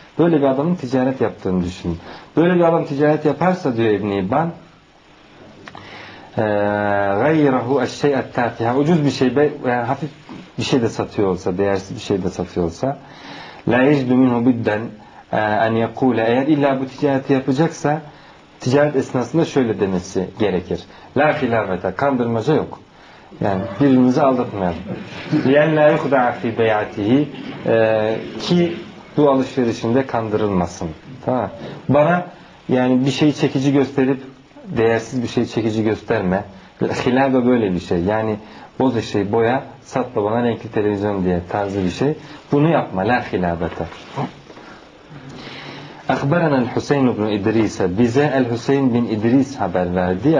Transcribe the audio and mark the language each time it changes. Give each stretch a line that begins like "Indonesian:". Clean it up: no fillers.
Turkish: Böyle bir adamın ticaret yaptığını düşünün. Böyle bir adam ticaret yaparsa diyor İbn-i İbban
Arabic: غَيْرَهُ الشَّيْءَ التَّافِحَ,
Turkish: ucuz bir şey veya yani hafif bir şey de satıyor olsa, değersiz bir şey de satıyor olsa
Arabic: لَا يَجْدُ مِنْهُ بِدَّنْ اَنْ يَقُولَ,
Turkish: eğer illa bu ticareti yapacaksa ticaret esnasında şöyle demesi gerekir.
Arabic: لَا خِلَافَةَ,
Turkish: kandırmaca yok. Yani birbirimizi aldatmayalım.
Arabic: لِيَنْ لَا يُخْدَعَ فِي بَيَعَتِهِ,
Turkish: ki bu alışverişinde kandırılmasın. Tamam. Bana yani bir şeyi çekici gösterip değersiz bir şeyi çekici gösterme. Hilabe böyle bir şey. Yani boz eşeği boya, sat da bana renkli televizyon diye tarzı bir şey. Bunu yapma.
Arabic: La hilabete.
Turkish: Akhbarana Hüseyin ibn İdris'e, bize el-Hüseyin bin İdris haber verdi.